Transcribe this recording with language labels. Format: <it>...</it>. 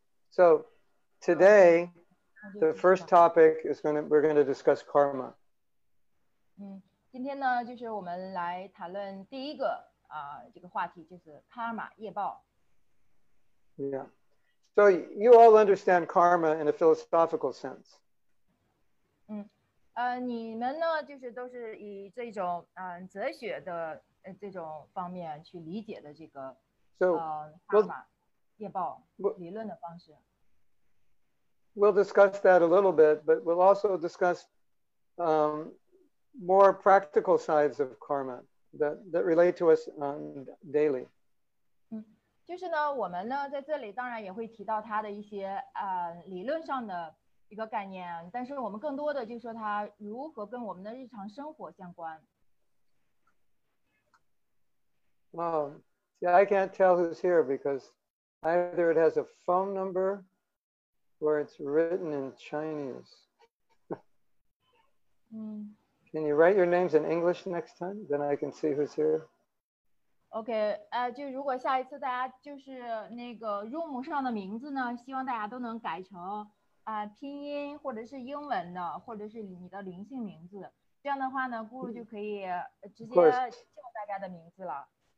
<en>So, today, the first topic is we're going to discuss karma.</en> <zh>今天呢，就是我们来谈论第一个这个话题，就是 karma 业报。Yeah.</zh> <en>So you all understand karma in a philosophical sense.</en> <zh>你们呢，就是都是以这种哲学的这种方面去理解的这个</zh> <en>karma</en> <zh>业报理论的方式。</zh> <en>we'll discuss that a little bit, but we'll also discuss more practical sides of karma that relate to us daily.</en> <zh>就是呢，我们呢在这里当然也会提到它的一些理论上的一个概念，但是我们更多的就是说它如何跟我们的日常生活相关。</zh> <en>Wow. See, I can't tell who's here because either it has a phone number or it's written in Chinese. Can you write your names in English next time? Then I can see who's here.</en> <zh>Okay, 就如果下一次大家就是那个 room 上的名字呢，希望大家都能改成 拼音或者是英文的，或者是你的灵性名字。这样的话呢，咕噜就可以直接叫大家的名字了。</zh>